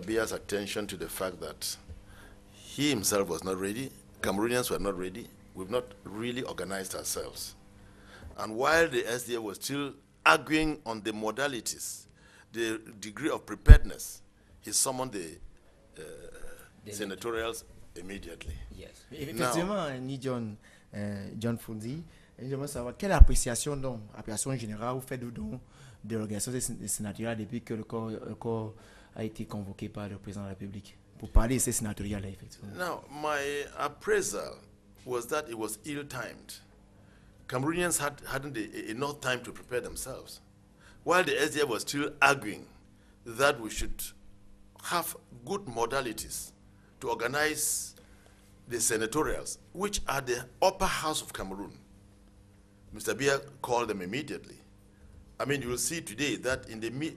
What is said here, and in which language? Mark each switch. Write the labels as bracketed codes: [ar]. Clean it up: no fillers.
[en] Biya's attention to the fact that he himself was not ready. Cameroonians were not ready. We've not really organized ourselves. And while the SDA was still arguing on the modalities, the degree of preparedness, he summoned the senatorials immediately. Yes. [fr] Effectivement, ni John Fundi, j'aimerais savoir quelle appréciation donc, appréciation générale, vous faites donc de l'organisation des sénatoriales depuis que le corps a été convoqué par le président de la République. [en] Now, my appraisal was that it was ill-timed. Cameroonians hadn't enough time to prepare themselves. While the SDF was still arguing that we should have good modalities to organize the senatorials, which are the upper house of Cameroon, Mr. Biya called them immediately. I mean, you will see today that in the